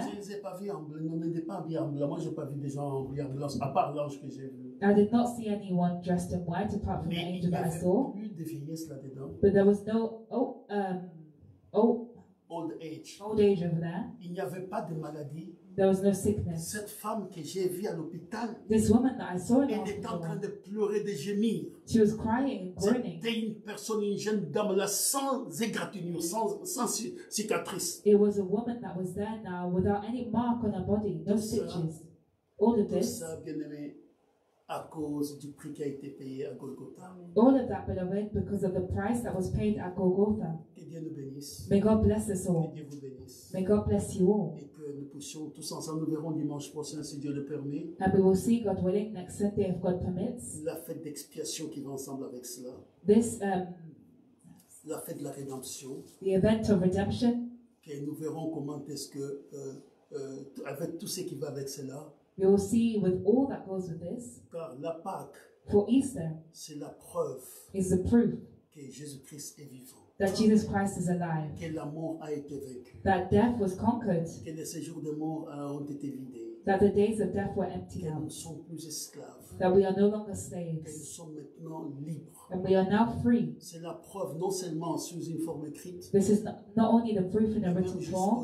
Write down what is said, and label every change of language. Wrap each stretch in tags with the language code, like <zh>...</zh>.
<fr>Je ne les ai pas vus en blanc. Non, n'étaient pas habillés en blanc. Moi, j'ai pas vu des gens en blanc, à part l'ange que j'ai vu.</fr> <en>I did not see anyone dressed in white apart from</en> <fr>Mais</fr> <en>the angel that I saw.</en> <fr>Il y avait plus de vieillesse là-dedans.</fr> <en>But there was no old age. Old age over there.</en> <fr>Il n'y avait pas de maladie.</fr> <en>There was no sickness.</en> <fr>Cette femme que j'ai vue à l'hôpital,</fr> <en>this woman that I saw in the hospital,</en> <fr>était en train de pleurer, de gémir.</fr> <en>She was crying and groaning.</en> <fr>C'était une personne, une jeune dame là, sans égratignure, sans cicatrice.</fr> <en>It was a woman that was there now without any mark on her body, no</en> <fr>tout</fr> <en>stitches.</en> <fr>Ça,</fr> <en>all of this.</en> <fr>Ça, bien-aimé, à cause du prix qui a été payé à Golgotha.</fr> <en>All of that, beloved, because of the price that was paid at Golgotha.</en> <fr>Que Dieu nous bénisse.</fr> <en>May God bless us all.</en> <fr>Que Dieu vous bénisse.</fr> <en>May God bless you all.</en> <fr>Et que nous puissions tous ensemble, nous verrons dimanche prochain, si Dieu le permet.</fr> <en>And we will see, God willing, next Sunday, if God permits.</en> <fr>La fête d'expiation qui va ensemble avec cela.</fr> <en>This,</en> <fr>la fête de la rédemption.</fr> <en>The event of redemption.</en> <fr>Que nous verrons comment est-ce que, avec tout ce qui va avec cela,</fr> <en>we will see with all that goes with this.</en> <fr>Car la Pâque,</fr> <en>for Easter,</en> <fr>c'est la preuve,</fr> <en>is the proof</en> <fr>que Jésus Christ est vivant,</fr> <en>that Jesus Christ is alive,</en> <fr>que la mort a été vaincue,</fr> <en>that death was conquered,</en> <fr>que les séjours de mort ont été vidés,</fr> <en>that the days of death were emptied out,</en> <fr>que nous sommes plus esclaves,</fr> <en>that we are no longer slaves,</en> <fr>que nous sommes maintenant libres,</fr> <en>and we are now free.</en> <fr>C'est la preuve non seulement sous une forme écrite,</fr> <en>this is not only the proof in a written form,</en>